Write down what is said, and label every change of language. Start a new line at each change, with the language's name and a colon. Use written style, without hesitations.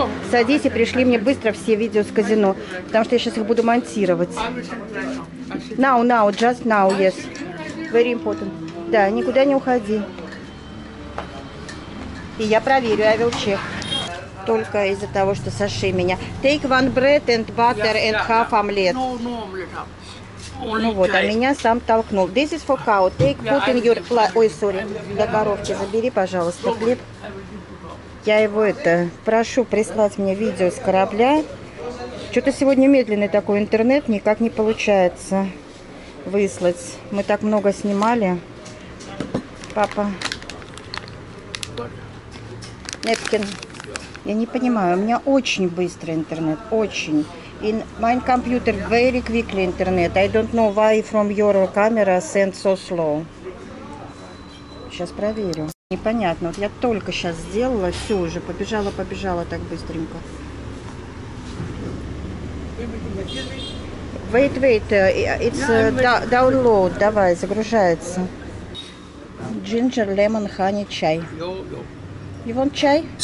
Russian: Садись и пришли мне быстро все видео с казино, потому что я сейчас их буду монтировать.
English: Now, just now, yes. Very important.
Russian: Да, никуда не уходи. И я проверю, я вел чек. Только из-за того, что саши меня.
English: Take one bread and butter and half omelette. No omelette.
Russian: Ну вот, а меня сам толкнул.
English: This is for cow. Take food in your... Ой, sorry.
Russian: До коровки забери, пожалуйста, хлеб. Я его это прошу прислать мне видео с корабля. Что-то сегодня медленный такой интернет, никак не получается выслать. Мы так много снимали. Папа. Непкин. Я не понимаю, у меня очень быстрый интернет, очень.
English: In my computer very quickly internet. I don't know why from your camera send so slow.
Russian: Сейчас проверю. Непонятно. Вот я только сейчас сделала, все уже, побежала так быстренько.
English: Wait, it's download,
Russian: давай, загружается.
English: Ginger, lemon, honey, чай. You want чай?